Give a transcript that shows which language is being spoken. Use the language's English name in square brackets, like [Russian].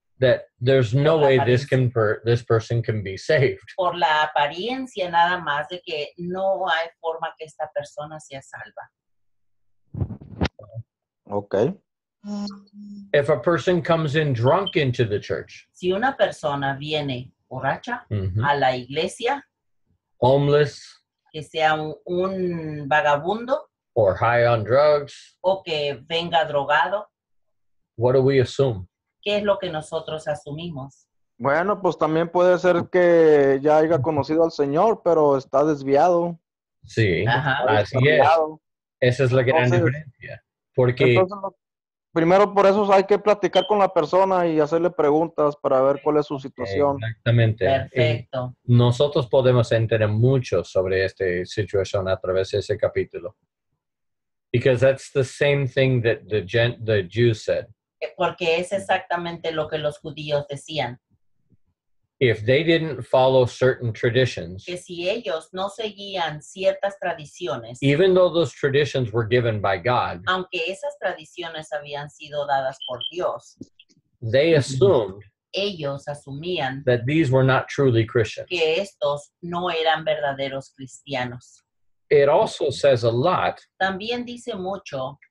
[English] That there's no way this person can be saved. [Spanish] Por la apariencia nada más de que no hay forma que esta persona sea salva. [English] Okay. If a person comes in drunk into the church. [Spanish] Si una persona viene borracha a la iglesia. [English] Homeless. [Spanish] Que sea un vagabundo. [English] Or high on drugs. [Spanish] O que venga drogado. [English] What do we assume? [Spanish] ¿Qué es lo que nosotros asumimos? Bueno, pues también puede ser que ya haya conocido al Señor, pero está desviado. Sí, así es. Esa es la gran diferencia. Porque entonces, primero por eso hay que platicar con la persona y hacerle preguntas para ver cuál es su situación. Exactamente. Perfecto. Nosotros podemos entender mucho sobre esta situación a través de ese capítulo. [English] Because that's the same thing that the Jews said. [Spanish] Porque es exactamente lo que los judíos decían. [English] If they didn't follow certain traditions, [Spanish] que si ellos no seguían ciertas tradiciones, [English] even though those traditions were given by God, [Spanish] aunque esas tradiciones habían sido dadas por Dios, [English] they assumed, [Spanish] ellos asumían, [English] that these were not truly Christians, [Spanish] que estos no eran verdaderos cristianos. [English] It also says a lot, [Spanish] también dice mucho,